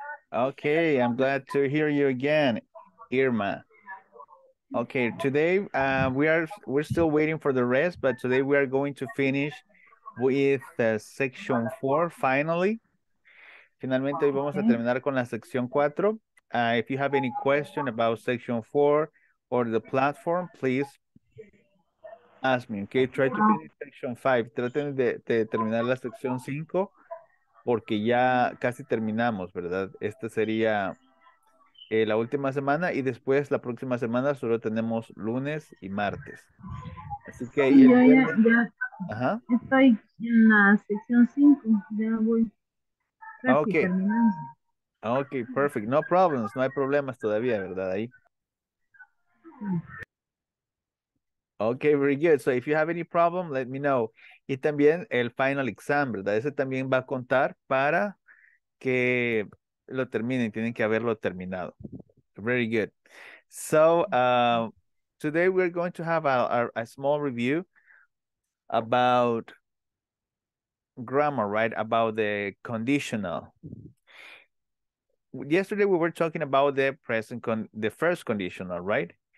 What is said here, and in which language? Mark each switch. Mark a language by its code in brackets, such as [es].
[en] Okay, I'm glad to hear you again, Irma. Okay, today we're still waiting for the rest, but today we are going to finish with section 4, finally. [es] Finalmente hoy vamos a terminar con la sección 4. [en] If you have any question about section 4 or the platform, please ask me, okay? Try to finish section 5. [es] Traten de terminar la sección 5 porque ya casi terminamos, ¿verdad? Esta sería la última semana y después la próxima semana solo tenemos lunes y martes. Así que sí, yo ya ajá. Estoy en la sección 5, ya voy casi [en] Okay. [es] terminando. [en] Okay, perfect. No problems, [es] no hay problemas todavía, ¿verdad? Ahí. [en] Okay, very good. So if you have any problem, let me know. [es] Y también el final exam, ¿verdad? Ese también va a contar para que lo terminen. Tienen que haberlo terminado. [en] Very good. So today we're going to have a small review about grammar, right? About the conditional. Yesterday we were talking about the present the first conditional, right?